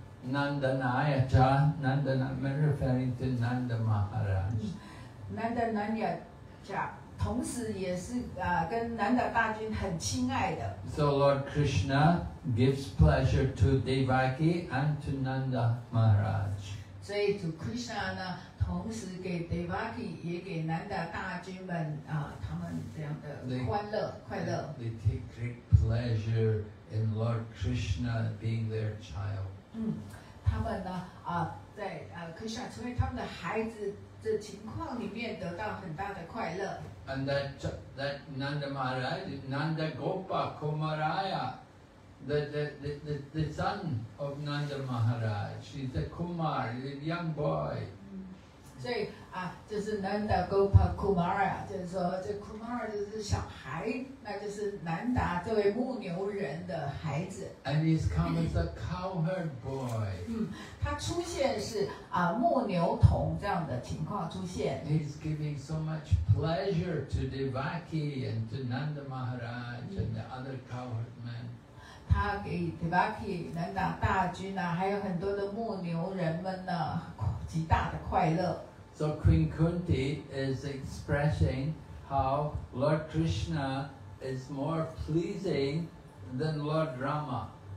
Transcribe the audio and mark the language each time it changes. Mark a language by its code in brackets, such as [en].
[en] Nanda Nayaka, referring to Nanda Maharaj. [zh] Nanda Nayaka, 同时也是跟 Nanda 大君很亲爱的。 [en] So Lord Krishna gives pleasure to Devaki and to Nanda Maharaj. [zh] 所以主 Krishna 呢，同时给 Devaki 也给 Nanda 大君们他们这样的欢乐快乐。 [en] They take great pleasure in Lord Krishna being their child. [zh] 他们呢，在Krishna成为他们的孩子的情况里面得到很大的快乐。 [en] And that Nanda Maharaj, Nanda Gopa Kumaraya, the son of Nanda Maharaj, he's a Kumar, he's a young boy. [zh] 所以就是 Nanda Gopa Kumaraya, 就是说这 Kumara 就是小孩。那就是南达这位牧牛人的孩子。 [en] And he's come as a cowherd boy. [zh] 他出现是牧牛童这样的情况出现。 [en] He's giving so much pleasure to Devaki and to Nanda Maharaj and the other cowherd men. [zh] 他给 Devaki 南达大军啊，还有很多的牧牛人们呢，极大的快乐。 [en] So Queen Kunti is expressing how Lord Krishna is more pleasing than Lord Rama.